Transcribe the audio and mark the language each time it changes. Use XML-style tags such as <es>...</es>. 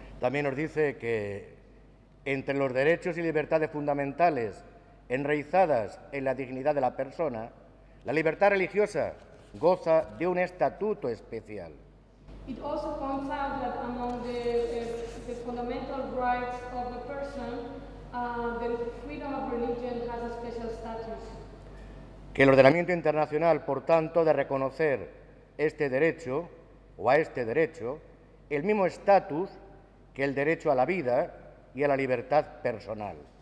<es>También nos dice que entre los derechos y libertades fundamentales enraizadas en la dignidad de la persona, la libertad religiosa goza de un estatuto especial.</es> <en>It also points out that among the fundamental rights of a person, the freedom of religion has a special status.</en> <es>Que el ordenamiento internacional, por tanto, de reconocer este derecho o a este derecho, el mismo estatus que el derecho a la vida y a la libertad personal.</es>